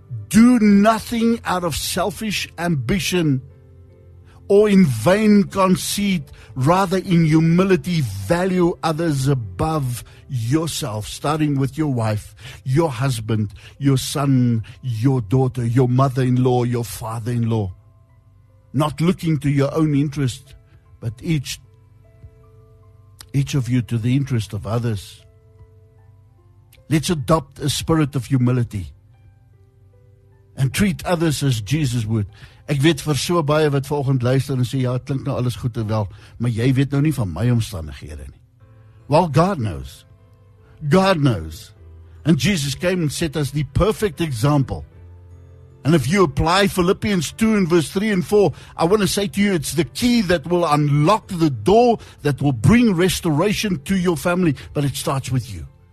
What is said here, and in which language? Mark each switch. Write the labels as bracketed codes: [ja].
[en] Do nothing out of selfish ambition or in vain conceit, rather in humility value others above yourself, starting with your wife, your husband, your son, your daughter, your mother-in-law, your father-in-law. Not looking to your own interest, but each of you to the interest of others. Let's adopt a spirit of humility and treat others as Jesus would. [af] Ek weet vir so baie wat vanoggend luister en sê, ja, het klink nou alles goed en wel, maar jy weet nou nie van my omstandighede nie. [en] Well, God knows. God knows. And Jesus came and set us the perfect example. And if you apply Philippians 2 and verse 3 and 4, I want to say to you, it's the key that will unlock the door that will bring restoration to your family. But it starts with you.